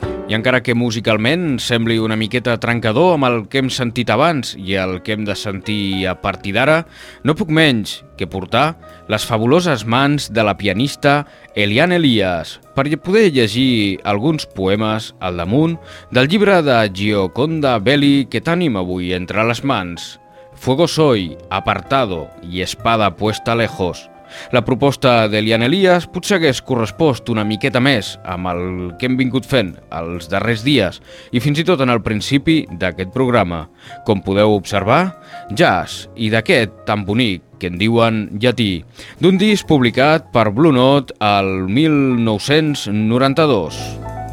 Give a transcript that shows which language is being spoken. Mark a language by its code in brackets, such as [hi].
[ca] I encara que musicalment sembli una miqueta trencador amb el que hem sentit abans i el que hem de sentir a partir d'ara, no puc menys que portar les fabuloses mans de la pianista Eliane Elias per poder llegir alguns poemes al damunt del llibre de Gioconda Belli que tenim avui entre les mans. [es] Fuego soy, apartado y espada puesta lejos. [ca] La proposta d'Eliane Elias potser hagués correspost una miqueta més amb el que hem vingut fent els darrers dies i fins i tot en el principi d'aquest programa. Com podeu observar, jazz, i d'aquest tan bonic que en diuen llatí, d'un disc publicat per Blue Note el 1992.